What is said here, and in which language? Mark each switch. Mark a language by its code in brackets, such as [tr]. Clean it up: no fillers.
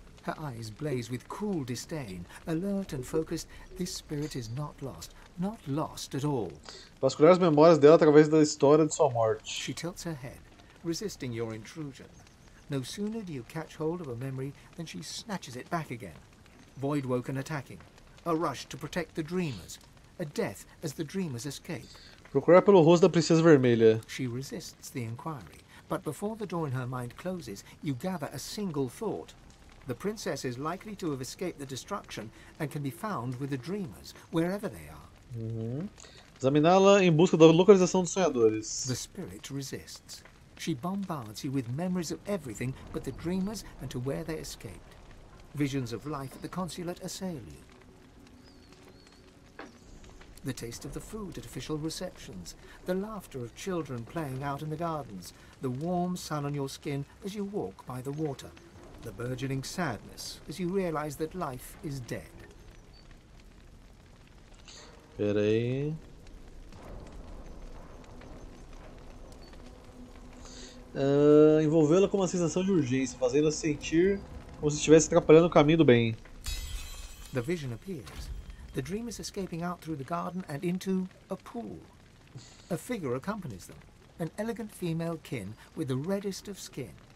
[en] Her eyes blaze with cruel disdain, alert and focused. This spirit is not lost, not lost at all. [pt] Vasculhar as memórias dela através da história de sua morte. [en] She tilts her head, resisting your intrusion. No sooner do you catch hold of a memory than she snatches it back again. Voidwoken attacking, a rush to protect the dreamers, a death as the dreamers escape. [pt] Procurar pelo rosto da princesa vermelha. [en] She resists the inquiry, but before the door in her mind closes, you gather a single thought. The princess is likely to have escaped the destruction and can be found with the dreamers, wherever they are. [pt] Examiná-la em busca da localização dos sonhadores. [en] The spirit resists. She bombards you with memories of everything but the dreamers and to where they escaped. Visions of life at the consulate assail you. The taste of the food at official receptions, the laughter of children playing out in the gardens, the warm sun on your skin as you walk by the water, the burgeoning sadness as you realize that life is dead. [pt] Pera aí. Envolvê-la com uma sensação de urgência, fazendo-a sentir como se estivesse atrapalhando o caminho do bem. [en] The vision appears. The dreamers escaping out through the garden and into a pool. A figure accompanies them, an elegant female kin with the reddest of skin.